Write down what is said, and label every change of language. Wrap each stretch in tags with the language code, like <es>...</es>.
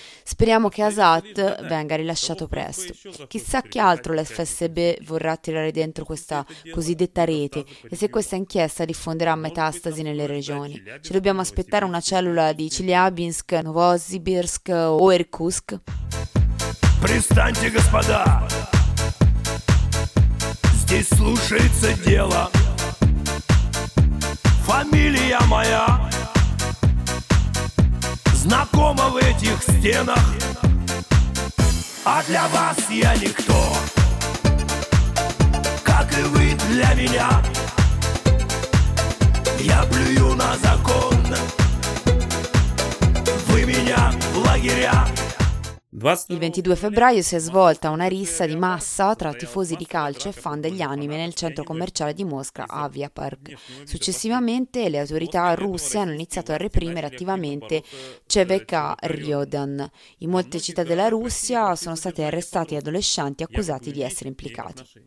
<it>Speriamo che Azat venga rilasciato presto. Chissà che altro l'FSB vorrà tirare dentro questa cosiddetta rete e se questa inchiesta diffonderà metastasi nelle regioni. Ci dobbiamo aspettare una cellula di Chelyabinsk, Novosibirsk o Irkutsk?</it> <ru>Пристаньте, господа! Здесь слушается дело. Фамилия моя дома в этих стенах. А для вас я никто, как и вы для меня. Я плюю на закон, вы меня в лагеря.</ru> <it>Il 22 febbraio si è svolta una rissa di massa tra tifosi di calcio e fan degli anime nel centro commerciale di Mosca, Avia Park. Successivamente le autorità russe hanno iniziato a reprimere attivamente CVK Ryodan. In molte città della Russia sono stati arrestati adolescenti accusati di essere implicati.</it>